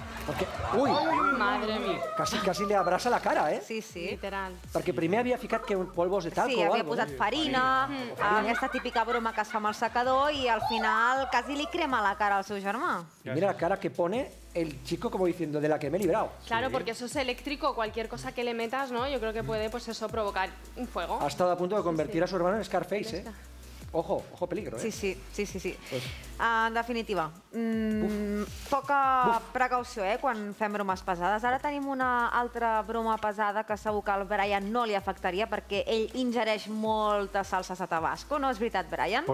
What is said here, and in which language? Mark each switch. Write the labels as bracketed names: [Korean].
[Catalan] Perquè... Ui! [Spanish] Madre mía. [Catalan] Casi li abraça la cara, eh? Sí, sí. Literal. Perquè primer havia ficat que polvos de talco sí, o algo. Sí, havia posat farina, aquesta típica broma que es fa amb el secador i al final quasi li crema la cara al seu germà. [Spanish] I mira la cara que pone el chico como diciendo de la que me he librado. Claro, sí. Porque eso es eléctrico, cualquier cosa que le metas, ¿no? Yo creo que puede pues eso provocar un fuego. Ha estado a punto de convertir sí, sí. a su hermano en Scarface, ¿eh? Ojo, ojo peligro, ¿eh? Sí, sí, sí, sí, sí. Pues... [Catalan] En definitiva, poca precaució, eh?, quan fem bromes pesades. Ara tenim una altra broma pesada que segur que al Brian no li afectaria perquè ell ingereix moltes salses a Tabasco, no és veritat, Brian?